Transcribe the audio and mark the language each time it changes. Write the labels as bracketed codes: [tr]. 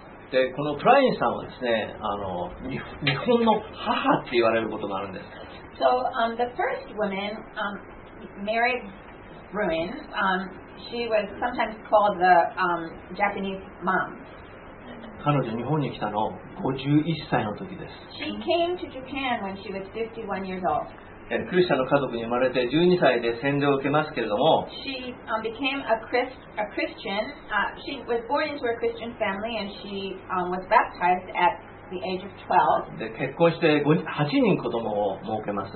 [ja] で、このプラインさんはですね、あの、日本の母って言われることがあるんです。 [en] So the first woman, Mary Bruin, she was sometimes called the Japanese mom. [ja] 彼女日本に来たの51歳の時です。 [en] She came to Japan when she was 51 years old. [ja] クリスチャンの家族に生まれて12歳で洗礼を受けますけれども、 [en] She became a Christian. She was born into a Christian family and she was baptized at the age of 12. [ja] で結婚して8人子供を設けます。